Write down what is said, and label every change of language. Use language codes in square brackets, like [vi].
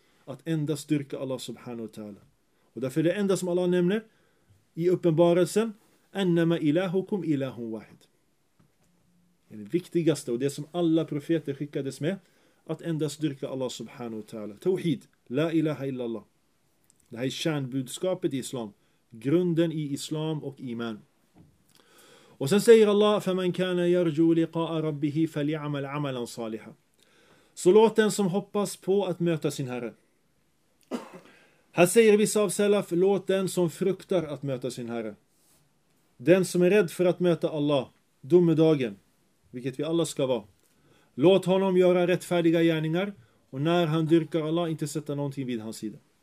[sv] Att endast dyrka Allah subhanahu wa ta'ala. Och därför är det enda som Allah nämner i uppenbarelsen, [ar] annama ilahukum ilahun wahid. [sv] Det viktigaste och det som alla profeter skickades med, att endast dyrka Allah subhanahu wa ta'ala. Tauhid. [ar] La ilaha illallah. [sv] Det här är kärnbudskapet i islam. Grunden i islam och iman. Och sen säger Allah, [ar] فَمَنْ كَانَ يَرْجُوا لِقَاءَ رَبِّهِ فَلْيَعْمَلْ عَمَلًا صَالِحًا. [sv] Så låt den som hoppas på att möta sin herre. Här säger vissa av salaf, låt den som fruktar att möta sin herre. Den som är rädd för att möta Allah, domedagen, vilket vi alla ska vara. Låt honom göra rättfärdiga gärningar, och när han dyrkar Allah, inte sätta någonting vid hans sida.